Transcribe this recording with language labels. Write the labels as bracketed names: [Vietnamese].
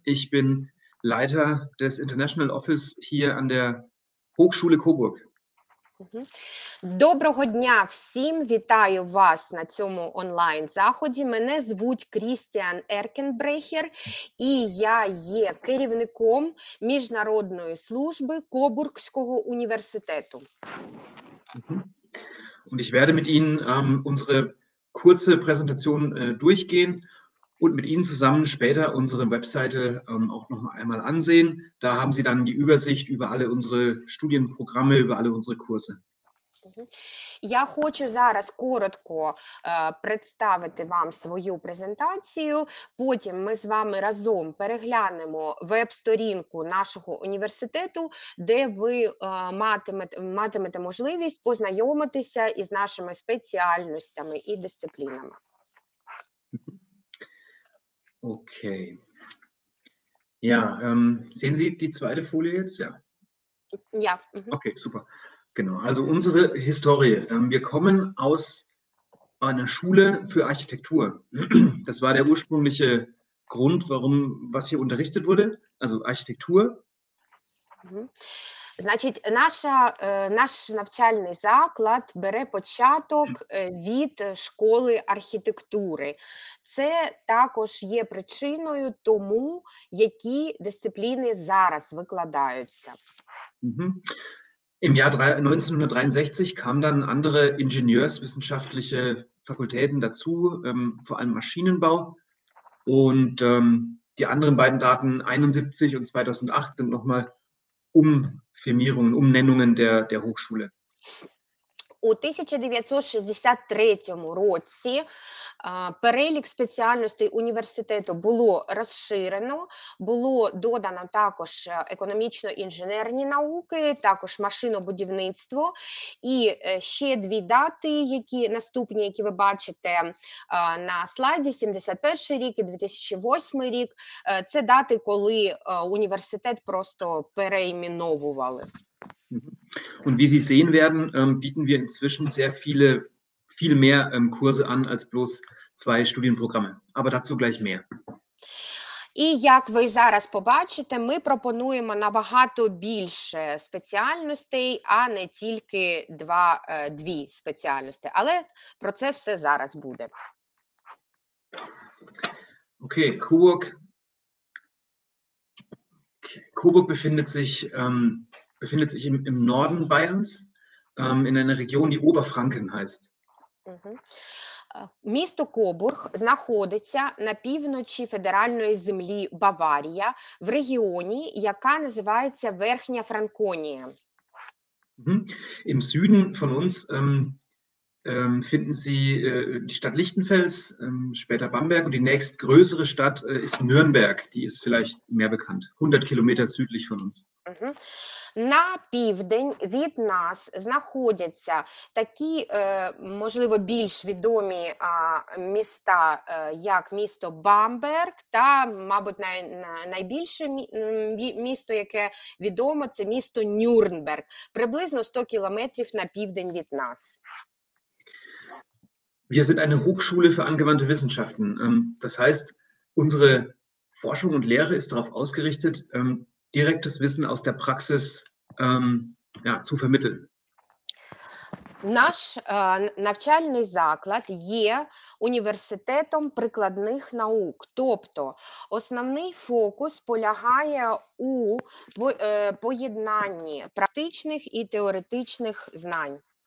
[German] Ich bin Leiter des International Office hier an der Hochschule Coburg. [Ukrainian] Доброго дня всім, вітаю вас на цьому онлайн-заході. Мене звуть Крістіан Еркенбрехер, і я є керівником Міжнародної служби Кобургського університету. [German] Und ich werde mit Ihnen unsere kurze Präsentation durchgehen und mit Ihnen zusammen später unsere Webseite auch noch einmal ansehen. Da haben Sie dann die Übersicht über alle unsere Studienprogramme, über alle unsere Kurse. [Ukrainian] Я хочу зараз коротко представити вам свою презентацію. Потім ми з вами разом переглянемо веб-сторінку нашого університету, де ви матимете можливість познайомитися із нашими спеціальностями і дисциплінами. [German] Okay. Ja, sehen Sie die zweite Folie jetzt? Ja. Ja. Okay, super. Genau, also unsere Historie. Wir kommen aus einer Schule für Architektur. Das war der ursprüngliche Grund, warum was hier unterrichtet wurde, also Architektur. [Ukrainian] Значить, наш навчальний заклад бере початок від школи архітектури. Це також є причиною тому, які дисципліни зараз викладаються. [German] Im Jahr 1963 kamen dann andere ingenieurswissenschaftliche Fakultäten dazu, vor allem Maschinenbau. Und die anderen beiden Daten, 71 und 2008, sind nochmal Umfirmierungen, Umnennungen der Hochschule. [Ukrainian] У 1963 році перелік спеціальностей університету було розширено, було додано також економічно-інженерні науки, також машинобудівництво. І ще дві дати, наступні, які ви бачите на слайді, 71 рік і 2008 рік, це дати, коли університет просто перейменовували. [German] Und wie Sie sehen werden, bieten wir inzwischen sehr viel mehr Kurse an als bloß zwei Studienprogramme. Aber dazu gleich mehr. [Ukrainian] І як ви зараз побачите, ми пропонуємо набагато більше спеціальностей, а не тільки дві спеціальності. Але про це все зараз буде. [German] Okay, Coburg. Coburg befindet sich im Norden Bayerns, in einer Region, die Oberfranken heißt. [Ukrainian] Місто Кобург знаходиться на півночі федеральної землі Баварія в регіоні, яка називається Верхня Франконія. [German] Im Süden von uns finden Sie die Stadt Lichtenfels, später Bamberg, und die nächstgrößere Stadt ist Nürnberg, die ist vielleicht mehr bekannt, 100 Kilometer südlich von uns. [Ukrainian] На південь від нас знаходяться такі, можливо, більш відомі міста, як місто Бамберг, та, мабуть, найбільше місто, яке відомо, це місто Нюрнберг, приблизно 100 кілометрів на південь від нас. [German] Wir sind eine Hochschule für angewandte Wissenschaften. Das heißt, unsere Forschung und Lehre ist darauf ausgerichtet, direktes Wissen aus der Praxis, ja, zu vermitteln. [Ukrainian] Наш навчальний заклад є університетом прикладних наук, тобто основний фокус полягає у поєднанні практичних і теоретичних знань.